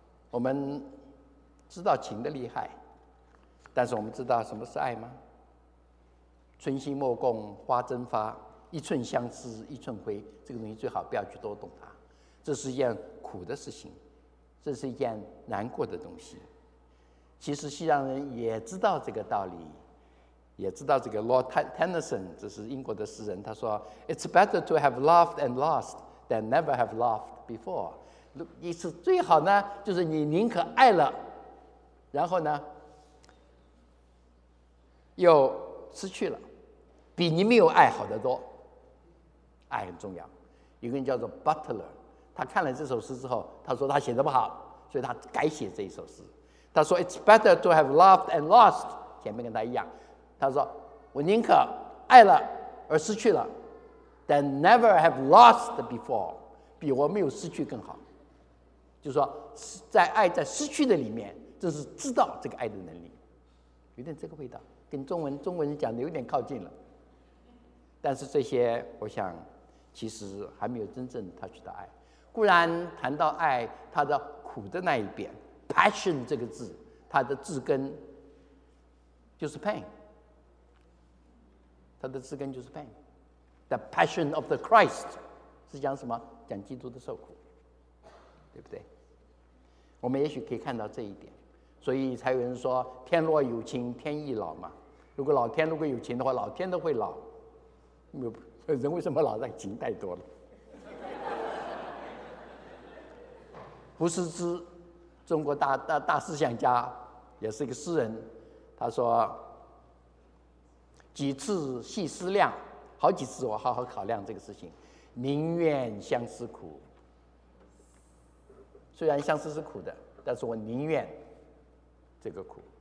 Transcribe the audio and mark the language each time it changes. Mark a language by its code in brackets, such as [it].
[zh] 我们知道情的厉害，但是我们知道什么是爱吗？春心莫共花争发，一寸相思一寸灰，这个东西最好不要去多懂它。这是一件苦的事情，这是一件难过的东西。其实西洋人也知道这个道理，也知道这个 Lord Tennyson， 这是英国的诗人，他说 [en] It's better to have loved and lost than never have loved before。 [zh] 意思最好呢，就是你宁可爱了，然后呢又失去了，比你没有爱好得多。爱很重要。一个人叫做 Butler， 他看了这首诗之后，他说他写得不好，所以他改写这一首诗。他说 [en] It's better to have loved and lost， [zh] 前面跟他一样，他说我宁可爱了而失去了 [en] than never have lost before， [zh] 比我没有失去更好。就是说在爱在失去的里面，就是知道这个爱的能力，有点这个味道，跟中文讲的有点靠近了。但是这些我想其实还没有真正 touch 到爱。固然谈到爱，它的苦的那一边， passion 这个字它的字根就是 pain， 它的字根就是 pain。 [en] The passion of the Christ [zh] 是讲什么？讲基督的受苦，对不对？我们也许可以看到这一点，所以才有人说天若有情天亦老嘛。如果老天如果有情的话，老天都会老，人为什么老在情太多了？胡适之，中国 大思想家，也是一个诗人，他说几次细思量，好几次我好好考量这个事情，宁愿相思苦，虽然相思是苦的，但是我宁愿这个苦。